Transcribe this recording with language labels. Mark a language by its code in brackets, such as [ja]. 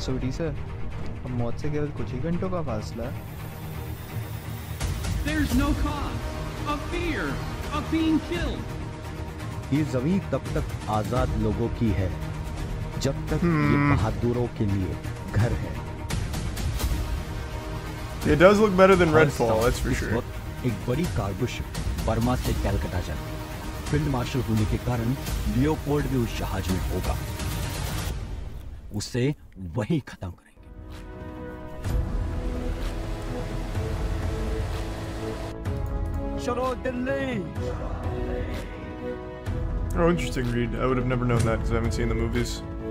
[hi] सूटी सर, हम मौत से केवल कुछ ही घंटों का फासला है। [en] There's no cause of fear. [hi] ये जमीन तब तक आजाद लोगों की है जब तक ये बहादुरों के लिए घर है। [en] It does look better than Redfall, that's for sure. [hi] एक बड़ी कार्गो शिप बर्मा से कलकत्ता जाती है। फील्ड मार्शल होने के कारण लियोपोल्ड भी उस जहाज में होगा, उसे वही खत्म करेंगे। चलो Delhi. [en] Oh, interesting, Reed. I would have never known that because I haven't seen the movies.